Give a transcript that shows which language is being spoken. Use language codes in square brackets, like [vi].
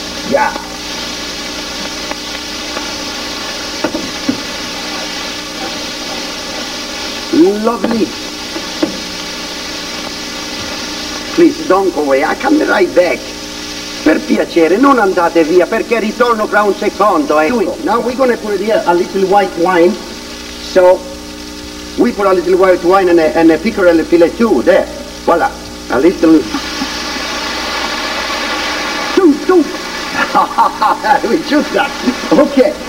[en] Yeah. Lovely. Please, don't go away. I come right back. [it] Per piacere, non andate via, perché ritorno fra un secondo. [en] Now we're going to put here a little white wine. So, we put a little white wine and a pickerel filet too, there. Voila. A little... Toot, toot. We choose that. Okay.